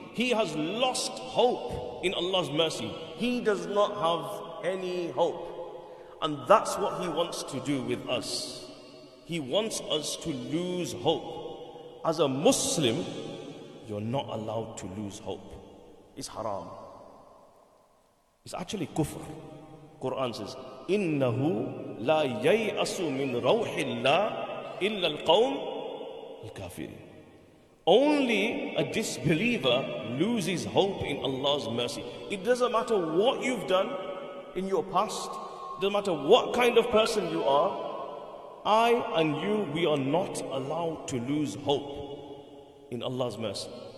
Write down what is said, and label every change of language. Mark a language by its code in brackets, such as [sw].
[en] He has lost hope in Allah's mercy. He does not have any hope. And that's what he wants to do with us. He wants us to lose hope. As a Muslim, you're not allowed to lose hope. It's haram. It's actually kufr. Quran says, [ar] إِنَّهُ لَا يَيْأَسُ مِنْ رَوْحِ اللَّهِ إِلَّا الْقَوْمِ الْكَافِرِينَ. [en] Only a disbeliever loses hope in Allah's mercy. It doesn't matter what you've done in your past. It doesn't matter what kind of person you are. I and you, we are not allowed to lose hope in Allah's mercy.